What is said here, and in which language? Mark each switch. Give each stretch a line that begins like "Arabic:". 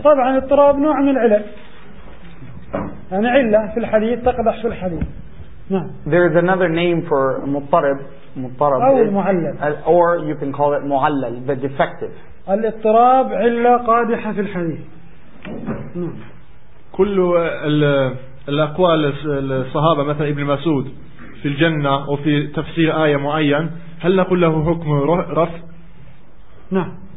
Arabic: طبعا الاضطراب نوع من العلل يعني علة في الحديث تقدح في الحديث.
English: There is another name for مضطرب
Arabic: أو المعلل
English: or you can call it معلل the defective.
Arabic: الاضطراب علة قادحة في الحديث. كل الأقوال الصحابة مثلا ابن مسعود في الجنة وفي تفسير آية معين هل نقول له حكم رفع؟ نعم.